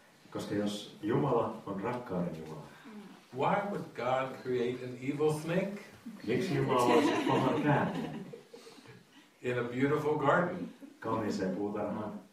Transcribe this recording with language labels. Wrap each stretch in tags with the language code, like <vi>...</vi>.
<fi>koska jos Jumala on rakkauden Jumala,</fi> <en>why would God create an evil snake?</en> <fi>Miksi Jumala olisi pahan käärmeen?</fi> <en>In a beautiful garden,</en> <fi>kauniiseen puutarhaan,</fi>